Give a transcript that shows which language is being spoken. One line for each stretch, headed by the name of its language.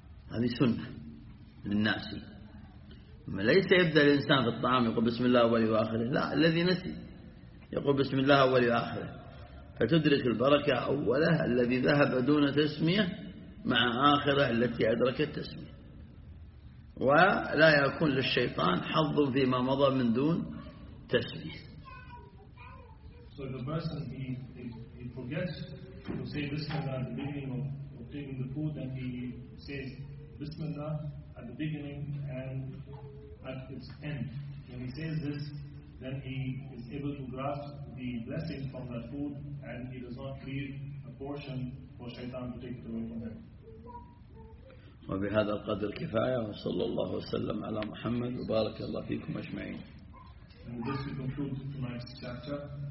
Arabic: هذه سنة للناس. ليس يبدأ الإنسان في الطعام يقول بسم الله أوله وآخره، لا، الذي نسي يقول بسم الله أوله وآخره، فتدرك البركة أوله الذي ذهب دون تسمية مع آخره التي أدركت التسمية، ولا يكون للشيطان حظ فيما مضى من دون تسمية.
English: So the person he forgets to say Bismillah at the beginning of taking the food, and he says Bismillah at the beginning and at its end. When he says this, then he is able to grasp the blessing from that food, and he does not leave a portion for Shaitan to take it away from him.
Arabic: وبهذا القدر كفاية، وصلى الله وسلم على محمد وبارك الله فيكم أجمعين.
English: And with this we conclude tonight's chapter.